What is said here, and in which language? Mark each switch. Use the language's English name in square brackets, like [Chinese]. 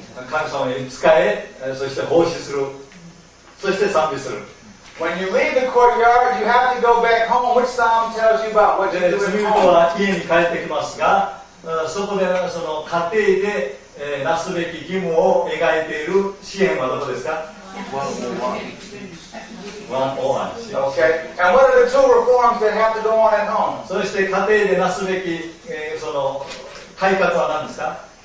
[Japanese] 神様に仕え、そして奉仕する。そして賛美する。 [English] When you leave the courtyard, you have to go back home. Which psalm tells you about what you're doing home? [Japanese] 次は家に帰ってきますが、そこでその家庭でなすべき義務を描いている詩編はどこですか？ 101. [English] Okay. And what are the two reforms that have to go on at home? [Japanese] そして家庭でなすべき、その改革は何ですか？